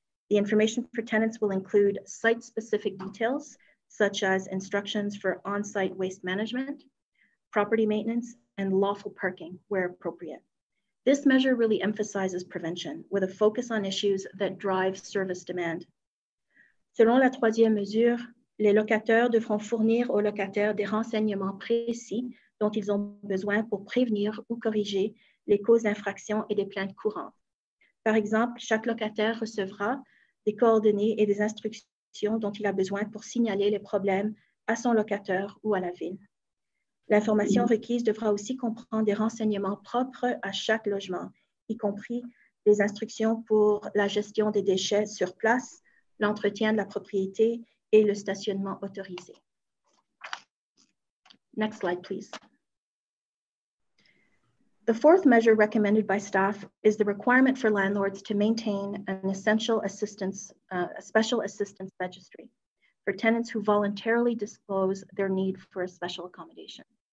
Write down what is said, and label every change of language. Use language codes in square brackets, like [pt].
[en] The information for tenants will include site-specific details, such as instructions for on-site waste management, property maintenance, and lawful parking where appropriate. This measure really emphasizes prevention with a focus on issues that drive service demand. [fr] Selon la troisième mesure, les locataires devront fournir aux locataires des renseignements précis dont ils ont besoin pour prévenir ou corriger les causes d'infraction et des plaintes courantes. Par exemple, chaque locataire recevra des coordonnées et des instructions dont il a besoin pour signaler les problèmes à son locataire ou à la ville. L'information requise devra aussi comprendre des renseignements propres à chaque logement, y compris les instructions pour la gestion des déchets sur place, l'entretien de la propriété et le stationnement autorisé. [en] Next slide, please. The fourth measure recommended by staff is the requirement for landlords to maintain an essential assistance, a special assistance registry for tenants who voluntarily disclose their need for a special accommodation.